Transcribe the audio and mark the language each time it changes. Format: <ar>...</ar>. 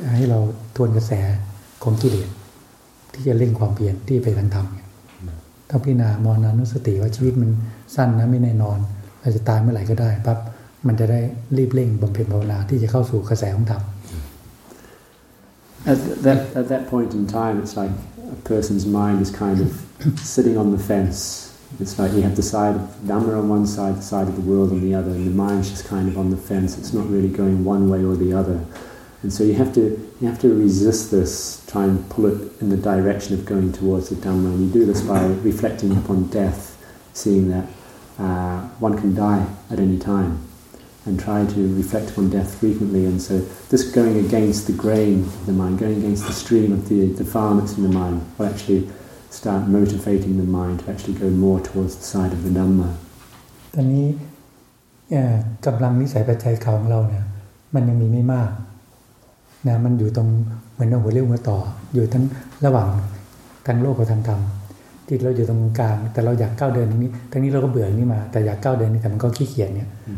<th>เราทวนกระแสของกิเลสที่จะเร่งความเปลี่ยนที่ไปทางธรรมต้องพิจารณามรณานุสติว่าชีวิตมันสั้นนะไม่แน่นอนเราจะตายเมื่อไหร่ก็ได้ปั๊บมันจะได้รีบเร่งบำเพ็ญภาวนาที่จะเข้าสู่กระแสของธรรม</th> <en>at that point in time it's like a person's mind is kind of sitting on the fence. It's like you have the side of Dhamma on one side, the side of the world on the other, and the mind's just kind of on the fence. It's not really going one way or the other, and so you have to resist this, try and pull it in the direction of going towards the Dhamma. And you do this by reflecting upon death, seeing that one can die at any time, and try to reflect upon death frequently. And so this going against the grain of the mind, going against the stream of the farm that's in the mind, will actually start motivating the mind to actually go more towards the side of the Dhamma.</en> <th>ตอนนี้กำลังนิสัยปัจจัยของเราเนี่ยมันยังมีไม่มากนะมันอยู่ตรงเหมือนหัวเรี่ยวหัวต่ออยู่ทั้งระหว่างทางโลกกับทางธรรมจิตเราอยู่ตรงกลางแต่เราอยากก้าวเดินนี้ทั้งนี้เราก็เบื่อนี้มาแต่อยากก้าวเดินนี้แต่มันก็ขี้เกียจเนี่ย</th>